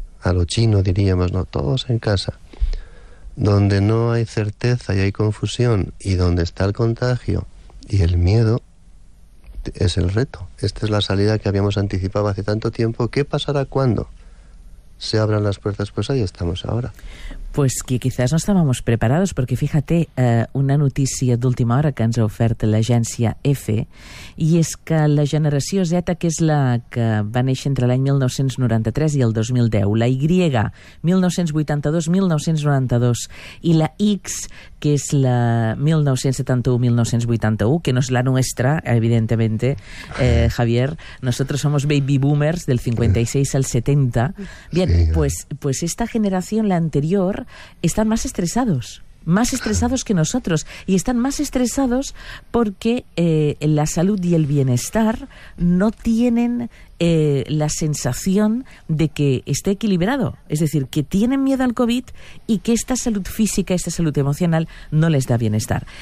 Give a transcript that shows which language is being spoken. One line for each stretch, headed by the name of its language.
Spanish: a lo chino diríamos, ¿no? Todos en casa. Donde no hay certeza y hay confusión, y donde está el contagio y el miedo, es el reto. Esta es la salida que habíamos anticipado hace tanto tiempo. ¿Qué pasará cuando se abran las puertas? Pues ahí estamos ahora. Pues que quizás no estábamos preparados,
Catalan: perquè fíjate, una notícia d'última hora que ens ha ofert l'agència EFE, i és que la generació Z, que és la que va néixer entre l'any 1993 i el 2010, la Y 1982-1992 i la X, que és la 1971-1981, que no és la nostra, evidentment, Javier,
Spanish: nosotros somos baby boomers del 56 al 70. Bien, pues esta generación, la anterior, están más estresados que nosotros, y están más estresados porque la salud y el bienestar no tienen la sensación de que esté equilibrado, es decir, que tienen miedo al COVID y que esta salud física, esta salud emocional no les da bienestar.